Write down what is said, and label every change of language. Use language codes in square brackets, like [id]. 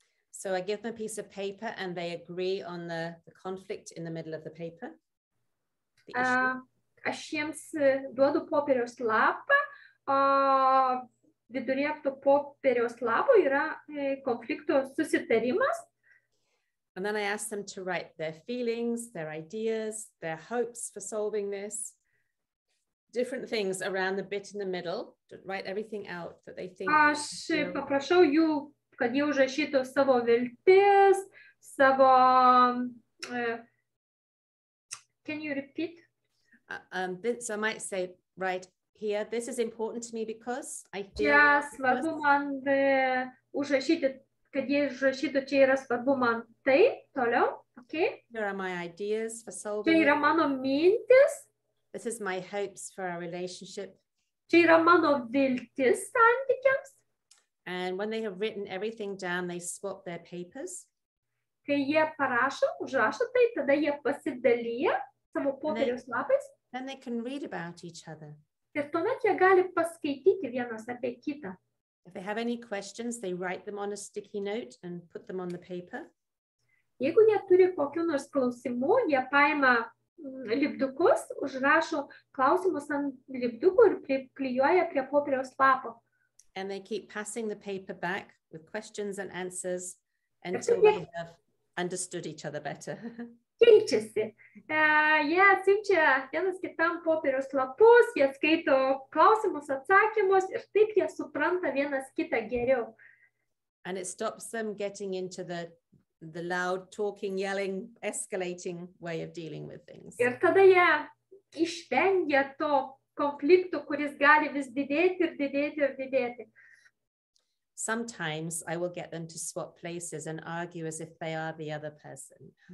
[en] So I give them a piece of paper and they agree on the conflict in the middle of the paper. [lt] Aš jiems duodu popieriaus lapą, o viduryje to popieriaus lapo yra konflikto susitarimas. [en] And then I ask them to write their feelings, their ideas, their hopes for solving this, different things around the bit in the middle, to write everything out that they think. [lt] Aš paprašau jų, kad jie užrašytų savo viltis, savo, [en] can you repeat? So I might say, right here, this is important to me because I feel. [lt] Yes, svarbu man užrašyti, kad jie užrašytų, čia yra svarbu man. Taip, toliau, okay. [en] Here are my ideas for solving. [lt] Čia yra mano mintis. [en] This is my hopes for our relationship. [lt] Čia yra mano viltis santykiams. [en] And when they have written everything down, they swap their papers. [lt] Kai jie parašo, užrašo tai, tada jie pasidalyja savo popieriaus lapais. [en] Then they can read about each other. [lt] Ir tuomet jie gali paskaityti vienas apie kitą. [en] If they have any questions, they write them on a sticky note and put them on the paper. [lt] Jeigu jie turi kokių nors klausimų, jie paima lipdukus, užrašo klausimus ant lipdukų ir priklijuoja prie popieriaus lapo. [en] And they keep passing the paper back with questions and answers until they have understood each other better. [lt] Keičiasi. Jie atsiunčia vienas kitam popieriaus lapus, jie skaito klausimus, atsakymus ir taip jie supranta vienas kitą geriau. [en] And it stops them getting into the loud talking, yelling, escalating way of dealing with things. [lt] Ir tada jie išvengia to konflikto, kuris gali vis didėti ir didėti ir didėti. [en] Sometimes I will get them to swap places and argue as if they are the other person.